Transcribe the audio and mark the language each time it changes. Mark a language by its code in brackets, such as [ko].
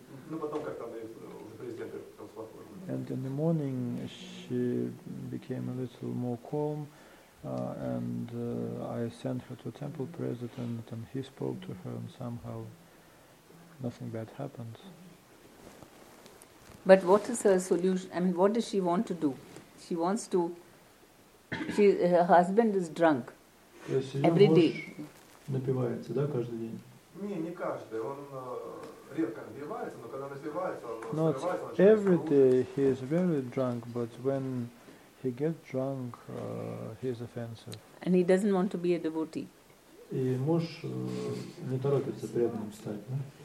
[ru] Ну, потом как-то уже президент успокоил. [en] And in the morning she became a little more calm, and I sent her to temple president, and he spoke to her, and somehow nothing bad happened. But what is her solution? I mean, what does she want to do? She wants to... Her husband is drunk every day. [ru] Напивается, да, каждый день? Не каждый. Он редко напивается, но когда напивается, он срывается. [en] Not every day he is very drunk, but when he gets drunk, he is offensive. And he doesn't want to be a devotee. [ru] И муж не торопится преданным стать, да?